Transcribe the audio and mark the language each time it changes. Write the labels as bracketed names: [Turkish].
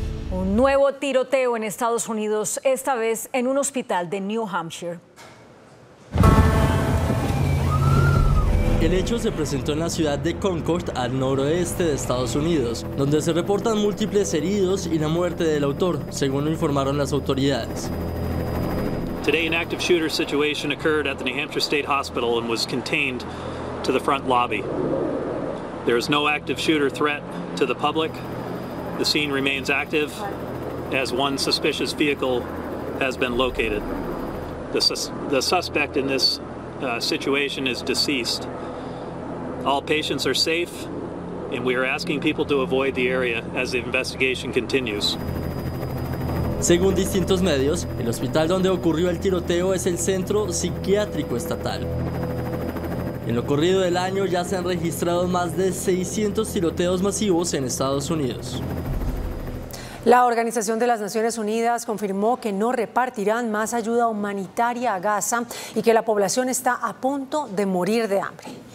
[Spanish] Un nuevo tiroteo en Estados Unidos, esta vez en un hospital de New Hampshire. El hecho se presentó en la ciudad de Concord, al noroeste de Estados Unidos, donde se reportan múltiples heridos y la muerte del autor, según lo informaron las autoridades. [English] Today, an active shooter situation occurred at the New Hampshire State Hospital and was contained to the front lobby. There is no active shooter threat to the public. The scene remains active as one suspicious vehicle has been located. The suspect in this situation is deceased. All patients are safe, and we are asking people to avoid the area as the investigation continues. [Spanish] Según distintos medios, el hospital donde ocurrió el tiroteo es el Centro Psiquiátrico Estatal. En lo corrido del año ya se han registrado más de 600 tiroteos masivos en Estados Unidos. La Organización de las Naciones Unidas confirmó que no repartirán más ayuda humanitaria a Gaza y que la población está a punto de morir de hambre.